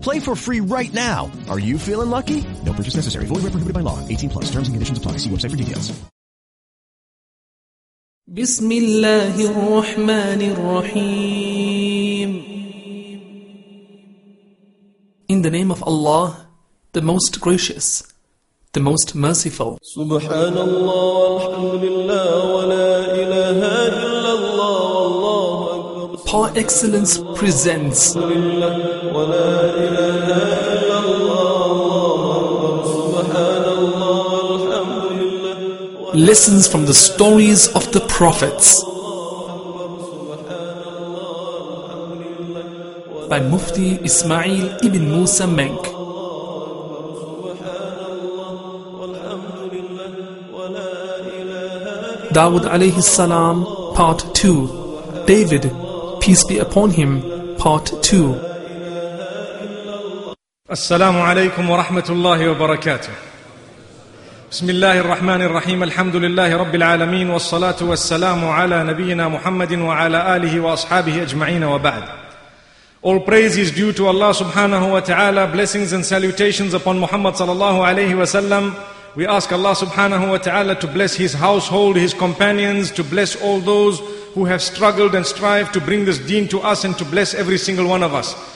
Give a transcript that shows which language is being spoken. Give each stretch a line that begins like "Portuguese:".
English: Play for free right now. Are you feeling lucky? No purchase necessary. Void where prohibited by law. 18 plus. Terms and conditions apply. See website for details.
Arabic: بسم الله الرحمن الرحيم.
English: In the name of Allah, the Most Gracious, the Most Merciful.
Arabic: سبحان الله والحمد لله ولا إله إلا الله والله أكبر.
English: Par excellence presents. Lessons from the stories of the prophets by Mufti Ismail ibn Musa Menk. Dawud alayhi salam, part 2. David, peace be upon him, part 2. Assalamu alaykum wa rahmatullahi wa barakatuh.
Arabic: بسم الله الرحمن الرحيم الحمد لله رب العالمين والصلاة والسلام على نبينا محمد وعلى آله وأصحابه أجمعين وبعد.
English: All praise is due to Allah subhanahu wa ta'ala. Blessings and salutations upon Muhammad sallallahu alayhi wa sallam. We ask Allah subhanahu wa ta'ala to bless his household, his companions, to bless all those who have struggled and strived to bring this deen to us, and to bless every single one of us.